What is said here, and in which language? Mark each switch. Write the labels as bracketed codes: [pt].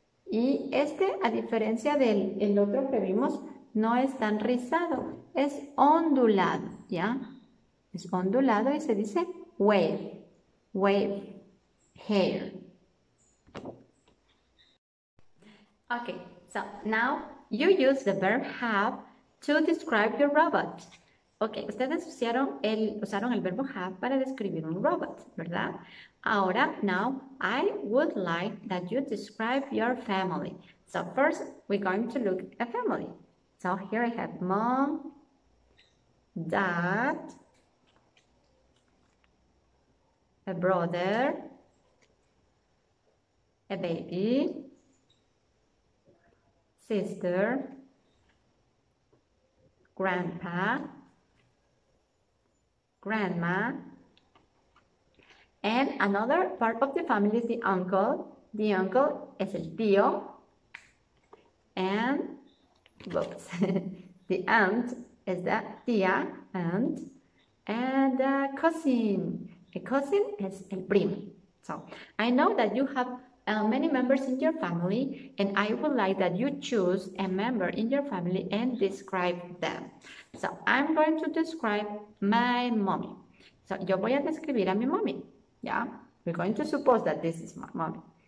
[es] Y este, a diferencia del el otro que vimos, no es tan rizado, es ondulado, ¿ya? Es ondulado y se dice [en] wave, wave, hair. Okay, so now you use the verb have to describe your robot. [es] Ok, ustedes usaron el verbo have para describir un robot, ¿verdad? [en] Ahora, now, I would like that you describe your family. So, first, we're going to look at family. So, here I have mom, dad, a brother, a baby, sister, grandpa, grandma, and another part of the family is the uncle. The uncle [es] es el tío, [en] and whoops, the aunt is the tía, aunt, and a cousin. A cousin is [es] el primo. [en] So I know that you have many members in your family, and I would like that you choose a member in your family and describe them. So I'm going to describe my mommy. [es] So yo voy a describir a mi mommy. [en] Yeah, we're going to suppose that this is my mommy.